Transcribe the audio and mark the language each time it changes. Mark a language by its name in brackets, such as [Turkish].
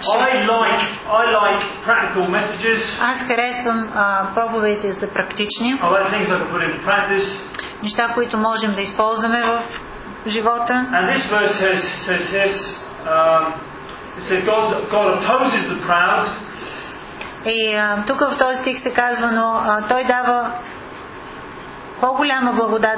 [English] I like practical messages. [Bulgarian] Аз харесвам проповедите за практични. [English] I like things I can put into practice. [Bulgarian] Неща, които можем да използваме в живота. [English] And this verse says this. It says God opposes the proud. [Bulgarian] И тук в този стих се казва, но той дава по-голяма благодат.